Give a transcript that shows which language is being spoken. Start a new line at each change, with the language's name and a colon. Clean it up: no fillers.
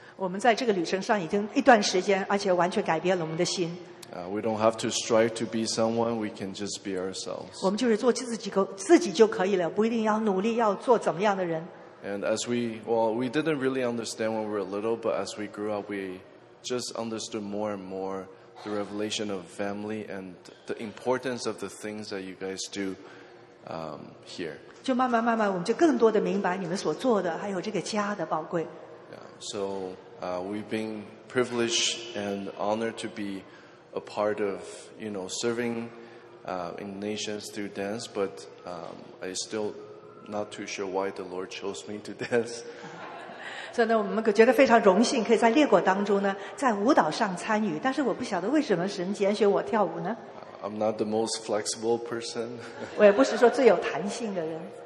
Chinese: 我们在这个旅程上已经一段时间，而且完全改变了我们的心。
English: We don't have to strive to be someone. We can just be ourselves.
Chinese: 我们就是做自己就可以了，不一定要努力要做怎么样的人。
English: And as we didn't really understand when we were little, but as we grew up, we just understood more and more the revelation of family and the importance of the things that you guys do here.
Chinese: 就慢慢慢慢，我们就更多的明白你们所做的，还有这个家的宝贵。
English: Yeah. So we've been privileged and honored to be. A part of, you know, serving in nations through dance, but I'm still not too sure why the Lord chose me to dance.
Chinese: So, 呢，我们觉得非常荣幸可以在列国当中呢，在舞蹈上参与。但是我不晓得为什么神拣选我跳舞呢
English: ？I'm not the most flexible person.
Chinese: 我也不是说最有弹性的人。